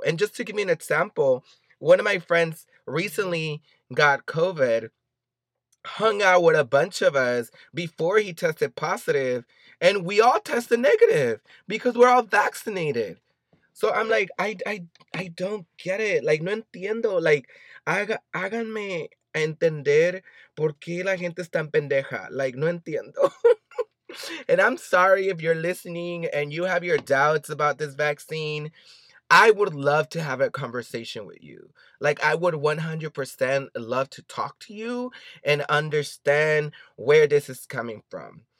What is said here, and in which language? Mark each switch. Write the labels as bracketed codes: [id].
[en] And just to give you an example, one of my friends recently got COVID, hung out with a bunch of us before he tested positive, and we all tested negative because we're all vaccinated. So I'm like, I don't get it. Like, [es] no entiendo. Like, háganme entender por qué la gente está tan pendeja. Like, no entiendo. [en] And I'm sorry if you're listening and you have your doubts about this vaccine. I would love to have a conversation with you. Like, I would 100% love to talk to you and understand where this is coming from.